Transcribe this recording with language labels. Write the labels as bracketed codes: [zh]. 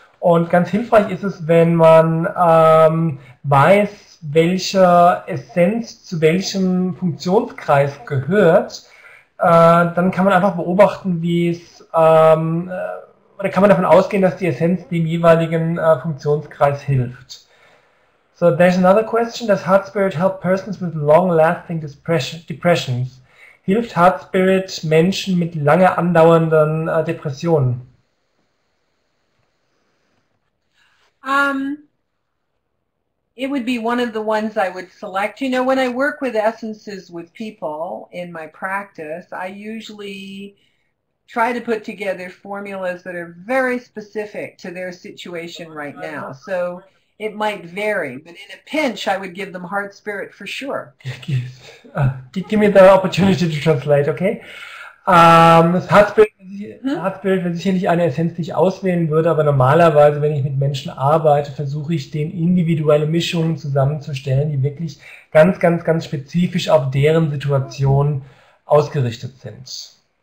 [de] Und ganz hilfreich ist es, wenn man weiß, welcher Essenz zu welchem Funktionskreis gehört, dann kann man einfach beobachten, wie es, oder kann man davon ausgehen, dass die Essenz dem jeweiligen Funktionskreis hilft. [en] So, there's another question. Does heart spirit help persons with long-lasting depressions? [de] Hilft Heart Spirit Menschen mit lange andauernden Depressionen? [en] It would be one of the ones I would select. You know, when I work with essences with people in my practice, I usually try to put together formulas that are very specific to their situation right now. So it might vary, but in a pinch, I would give them heart spirit for sure. Give me the opportunity to translate, okay? [de] Das Herzbild wäre sicherlich eine Essenz, die ich auswählen würde, aber normalerweise, wenn ich mit Menschen arbeite, versuche ich, denen individuelle Mischungen zusammenzustellen, die wirklich ganz, ganz, ganz spezifisch auf deren Situation ausgerichtet sind.